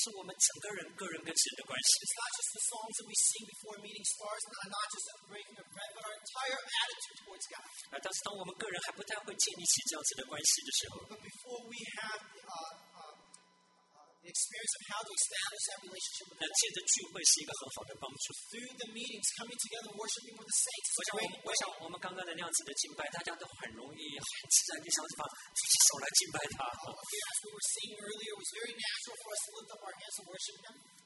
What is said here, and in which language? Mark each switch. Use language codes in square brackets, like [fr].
[zh] 不是只有会前唱诗，不是只有播饼聚会，那是我们整个人、个人跟神的关系。 [en] It's not just the songs that we sing before meeting stars, not just the breaking of bread, but our entire attitude towards God. [zh] 但是当我们个人还不太会建立起这样子的关系的时候， [en] But before we have the experience of how to establish that relationship with God, [zh] 那借着聚会是一个很好的帮助。 [en] Through the meetings, coming together, worshiping with the saints. [zh] 我想我们刚刚的那样子的敬拜，大家都很容易、很自然地想办法举起手来敬拜他。 [en] As we were seeing earlier, it was very natural for us to lift up our hands and worship Him.